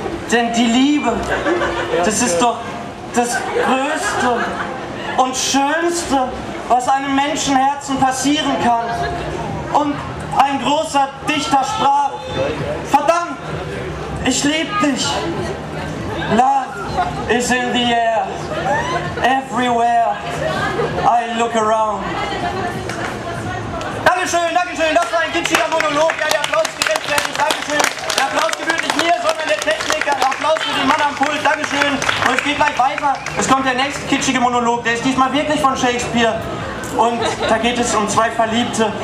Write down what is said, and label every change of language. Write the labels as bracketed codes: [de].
[de] Denn die Liebe, das ist doch das Größte und Schönste, was einem Menschenherzen passieren kann. Und ein großer Dichter sprach: Verdammt, ich lieb dich. [en] Love is in the air. Everywhere I look around. [de] Dankeschön, Dankeschön. Das war ein Gitschiger Monolog. Ja, der Applaus gerecht werden. Dankeschön. Der Applaus gebührt nicht mir, sondern der Techniker. Applaus für den Mann am Pult. Dankeschön. Und es geht gleich weiter. Es kommt der nächste kitschige Monolog. Der ist diesmal wirklich von Shakespeare. Und da geht es um zwei Verliebte.